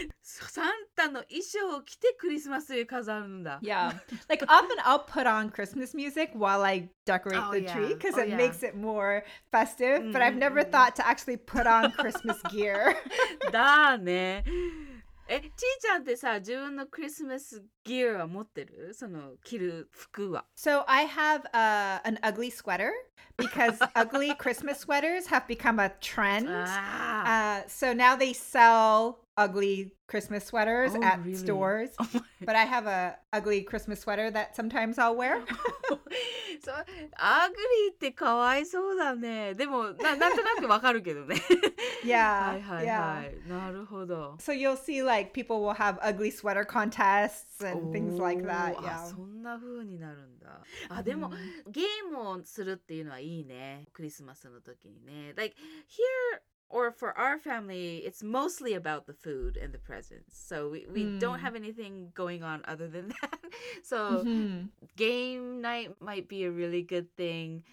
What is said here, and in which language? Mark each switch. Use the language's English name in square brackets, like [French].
[Japanese] サンタの衣装を着てクリスマスで飾るんだ。 [English] Yeah. Like often I'll put on Christmas music while I decorate the tree because it makes it more festive. But I've never thought to actually put on Christmas gear. [Japanese] だね。え、ちーちゃんってさ、自分のクリスマスギアは持ってる？その着る服は。 [English] So I have an ugly sweater because ugly Christmas sweaters have become a trend. So now they sell ugly Christmas sweaters at stores. But I have an ugly Christmas sweater that sometimes I'll wear. [Japanese] そう、アグリーってかわいそうだね。でも、なんとなくわかるけどね。 [English] Yeah. [Japanese] なるほど。 [English] So you'll see like people will have ugly sweater contests and things like that. Yeah. [Japanese] そんな風になるんだ。あ、でもゲームをするっていうのはいいね。クリスマスの時にね。 [English] Like here or for our family, it's mostly about the food and the presents. So we don't have anything going on other than that. So game night might be a really good thing.